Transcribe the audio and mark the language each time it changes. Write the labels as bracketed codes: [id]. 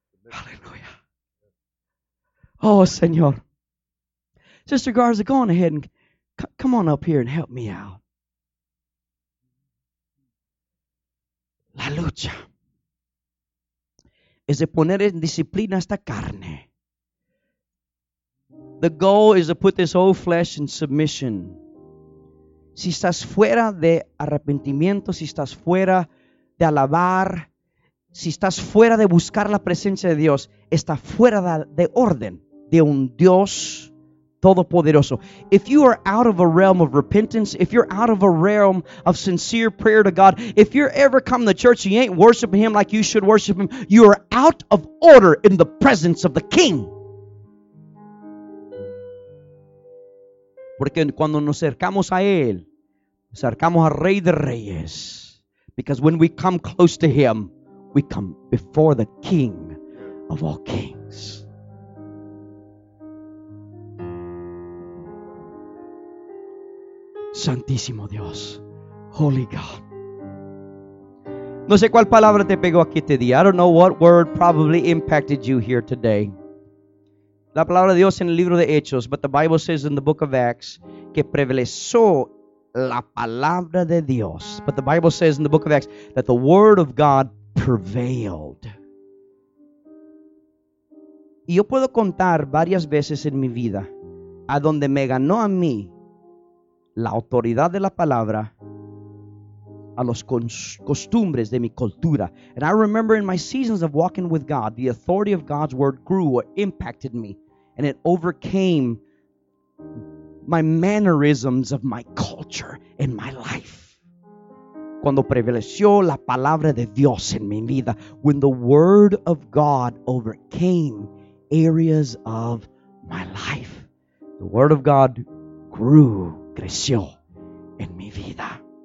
[es] Hallelujah. Oh, Señor. [en] Sister Garza, go on ahead and come on up here and help me out. [es] La lucha es de poner en disciplina esta carne. [en] The goal is to put this old flesh in submission. [es] Si estás fuera de arrepentimiento, si estás fuera de alabar, si estás fuera de buscar la presencia de Dios, está fuera de orden de un Dios todopoderoso. [en] If you are out of a realm of repentance, if you're out of a realm of sincere prayer to God, if you're ever come to church and you ain't worshiping Him like you should worship Him, you are out of order in the presence of the King. [es] Porque cuando nos acercamos a Él, nos acercamos al Rey de Reyes. [en] Because when we come close to Him, we come before the King of all kings. [es] Santísimo Dios, [en] Holy God. [es] No sé cuál palabra te pegó aquí este día. [en] I don't know what word probably impacted you here today. [es] La palabra de Dios en el libro de Hechos, [en] but the Bible says in the book of Acts, [es] que prevaleció la palabra de Dios. [en] But the Bible says in the book of Acts, that the word of God prevailed. [es] Y yo puedo contar varias veces en mi vida, a donde me ganó a mí la autoridad de la palabra, a los costumbres de mi cultura. [en] And I remember in my seasons of walking with God, the authority of God's word grew or impacted me. And it overcame my mannerisms of my culture in my life. [es] Cuando prevaleció la palabra de Dios en mi vida, [en] when the word of God overcame areas of my life, the word of God [es] creció en mi vida.